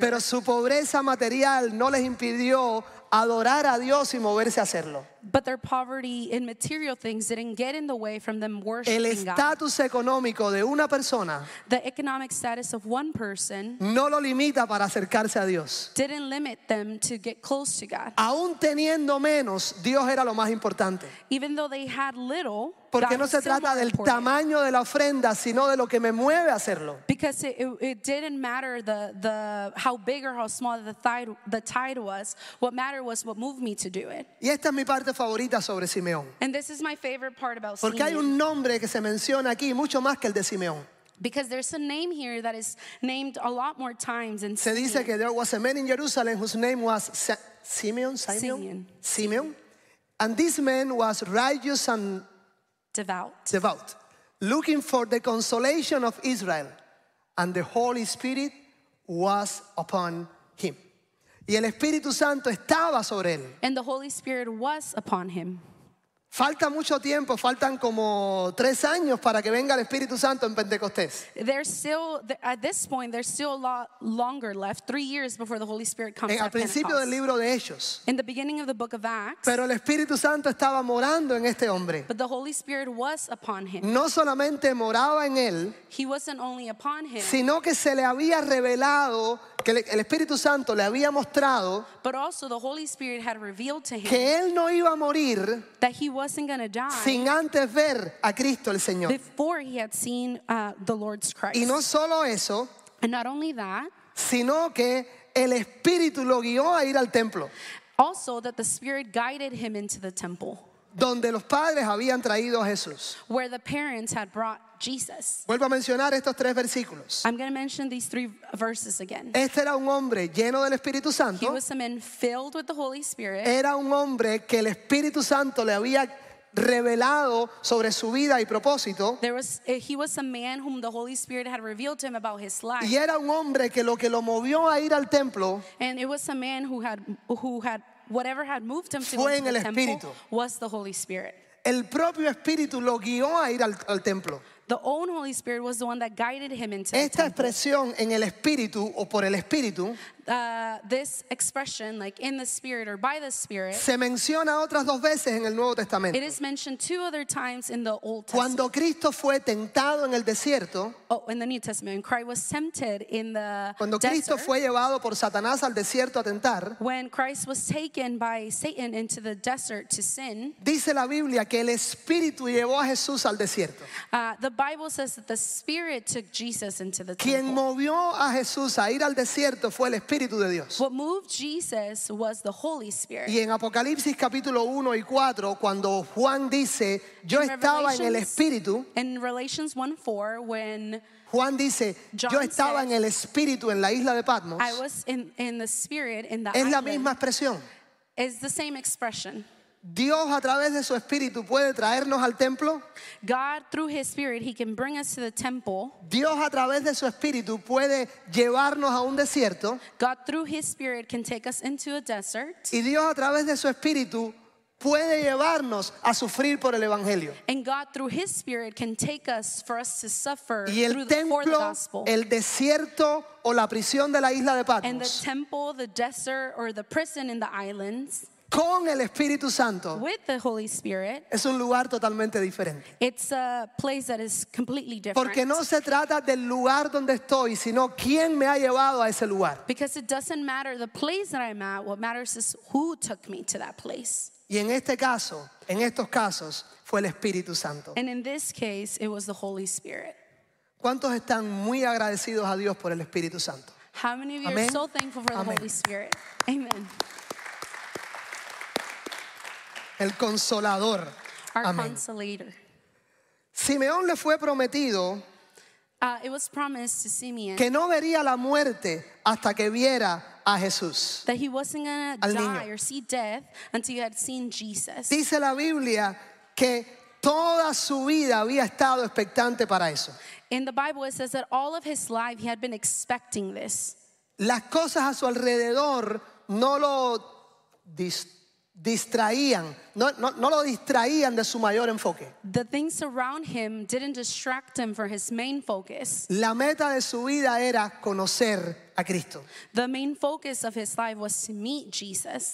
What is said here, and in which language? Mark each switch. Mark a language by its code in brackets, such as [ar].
[es] Pero su pobreza material no les impidió adorar a Dios y moverse a hacerlo. [en] But their poverty in material things didn't get in the way from them worshiping [es] El estatus [en] God. [es] Económico de una persona [en] The economic status of one person [es] no lo limita para acercarse a Dios. [en] Didn't limit them to get close to God. [es] Aún teniendo menos, Dios era lo más importante. [en] Even though they had little, [es] Porque [en] God [es] no se trata del [en] important. [es] Tamaño de la ofrenda, sino de lo que me mueve a hacerlo. [en] Because it didn't matter the how big or how small the tide was. What mattered was what moved me to do it. [es] Y esta es mi parte favorita sobre Simeón. [en] And this is my favorite part about Simeón. [es] Porque hay un nombre que se menciona aquí mucho más que el de Simeón. [en] Because there's a name here that is named a lot more times than Simeón. [es] Se dice que [en] there was a man in Jerusalem whose name was Simeón. Simeón. And this man was righteous and devout, looking for the consolation of Israel, and the Holy Spirit was upon him. [es] Y el Espíritu Santo estaba sobre él. [en] And the Holy Spirit was upon him. [es] Falta mucho tiempo, faltan como 3 años para que venga el Espíritu Santo en Pentecostés. [en] There's still, at this point, there's still a lot longer left, 3 years before the Holy Spirit comes [es] en al principio del libro de Hechos. [en] In the beginning of the book of Acts. [es] Pero el Espíritu Santo estaba morando en este hombre. [en] But the Holy Spirit was upon him. [es] No solamente moraba en él. [en] He wasn't only upon him. [es] Sino que se le había revelado, que el Espíritu Santo le había mostrado. [en] But also the Holy Spirit had revealed to him. [es] Que él no iba a morir. [en] That he wasn't going to die [es] sin antes ver a Cristo, el Señor. [en] Before he had seen the Lord's Christ. [es] Y no solo eso, [en] and not only that, [es] sino que el Espíritu lo guió a ir al templo. [en] Also that the Spirit guided him into the temple. [es] Donde los padres habían traído a Jesús. [en] Where the parents had brought Jesus. [es] Vuelvo a mencionar estos tres versículos. [en] I'm going to mention these three verses again. [es] Este era un hombre lleno del Espíritu Santo. [en] He was a man filled with the Holy Spirit. [es] Era un hombre que el Espíritu Santo le había revelado sobre su vida y propósito. [en] He was a man whom the Holy Spirit had revealed to him about his life. [es] Y era un hombre que lo movió a ir al templo. [en] And it was a man who had whatever had moved him to go to the temple was the Holy Spirit. [es] El propio Espíritu lo guió a ir al templo. [en] The own Holy Spirit was the one that guided him into [es] Esta [en] the [es] expresión [en] temple. [es] En el Espíritu o por el Espíritu [en] this expression like in the Spirit or by the Spirit [es] se menciona otras dos veces en el Nuevo Testamento. [en] It is mentioned 2 other times in the Old Testament. [es] Cuando Cristo fue tentado en el desierto [en] in the New Testament, when Christ was tempted in the [es] Cuando [en] desert, [es] Cristo fue llevado por Satanás al desierto a tentar [en] when Christ was taken by Satan into the desert to sin [es] dice la Biblia que el Espíritu llevó a Jesús al desierto. [en] The Bible says that the Spirit took Jesus into the temple. [es] Quien movió a Jesús a ir al desierto fue el Espíritu. Espíritu de Dios. [en] What moved Jesus was the Holy Spirit. [es] Y en Apocalipsis capítulo 1 y 4, cuando Juan dice, yo estaba en el Espíritu. [en] In Revelations 1:4, when [es] Juan dice, yo estaba en el Espíritu en la isla de Patmos. [en] I was in the Spirit in the island. [es] Es la misma expresión. [en] It's the same expression. [es] Dios a través de su Espíritu puede traernos al templo. [en] God through His Spirit He can bring us to the temple. [es] Dios a través de su Espíritu puede llevarnos a un desierto. [en] God through His Spirit can take us into a desert. [es] Y Dios a través de su Espíritu puede llevarnos a sufrir por el Evangelio. [en] And God through His Spirit can take us for us to suffer [es] y el templo, [en] for the gospel. [es] El desierto o la prisión de la isla de Patmos. [en] And the temple, the desert, or the prison in the islands. [es] Con el Espíritu Santo. [en] With the Holy Spirit. [es] Es un lugar totalmente diferente. [en] It's a place that is completely different. [es] Porque no se trata del lugar donde estoy, sino quién me ha llevado a ese lugar. [en] Because it doesn't matter the place that I'm at, what matters is who took me to that place. [es] Y en este caso, en estos casos, fue el Espíritu Santo. [en] And in this case, it was the Holy Spirit. [es] ¿Cuántos están muy agradecidos a Dios por el Espíritu Santo? [en] How many of you [es] Amén. [en] Are so thankful for the [es] Amén. [en] Holy Spirit? Amen. [es] El Consolador. [en] Our [es] Amén. [en] Consolator. [es] Simeón le fue prometido [en] it was promised to Simeon [es] que no vería la muerte hasta que viera a Jesús. [en] That he wasn't going to die [es] niño. [en] Or see death until he had seen Jesus. [es] Dice la Biblia que toda su vida había estado expectante para eso. [en] In the Bible it says that all of his life he had been expecting this. [es] Las cosas a su alrededor no lo distraían, no lo distraían de su mayor enfoque. [en] The things around him didn't distract him from his main focus. [es] La meta de su vida era conocer a Cristo. [en] The main focus of his life was to meet Jesus.